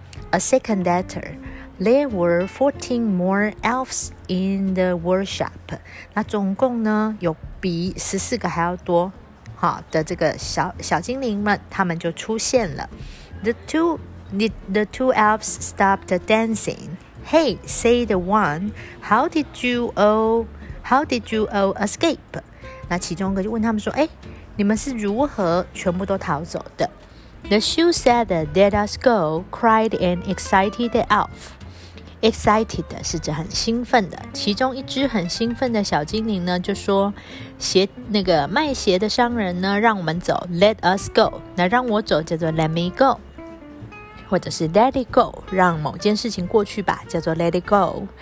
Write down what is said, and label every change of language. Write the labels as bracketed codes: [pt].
[en] A second letter， there were 14 more elves in the workshop， [zh] 那总共呢有比14个还要多好的这个 小精灵们，他们就出现了。 [en] The two elves stopped dancing. Hey, said one, how did you all escape? [zh] 那其中一个就问他们说，哎，你们是如何全部都逃走的？ [en] The shoe said, let us go, cried an excited elf. [zh] Excited 是指很兴奋的，其中一只很兴奋的小精灵呢就说，鞋那个卖鞋的商人呢让我们走， [en] let us go， [zh] 那让我走叫做 [en] let me go， [zh] 或者是 [en] let it go， [zh] 让某件事情过去吧，叫做 let it go。